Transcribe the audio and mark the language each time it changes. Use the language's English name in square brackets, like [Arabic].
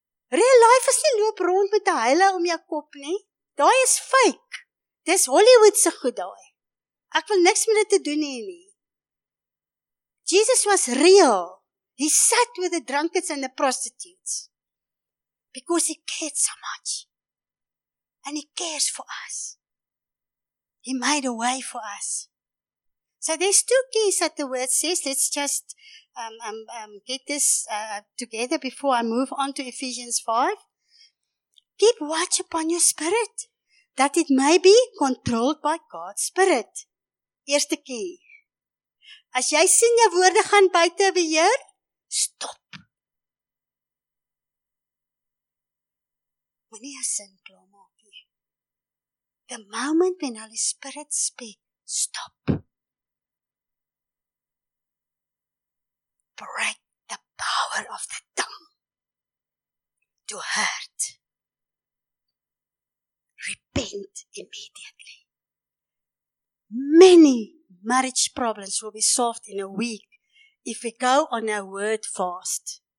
[Afrikaans] Real life is nie loop rond met 'n huile om jou kop nie. Daai is fake. Dis Hollywood se goed daai. Ek wil niks met dit te doen hê nie. [English] Jesus was real. He sat with the drunkards and the prostitutes. Because he cared so much. And he cares for us. He made a way for us. So there's two keys that the word says. Let's just get this together before I move on to Ephesians 5. Keep watch upon your spirit, that it may be controlled by God's spirit. [Afrikaans] Eerste key. As jy sien jou woorde gaan buite beheer, stop. Moenie jou sin klaarmaak nie. [English] The moment when Holy Spirit speak, stop. Break the power of the tongue to hurt. Repent immediately. Many marriage problems will be solved in a week if we go on a word fast.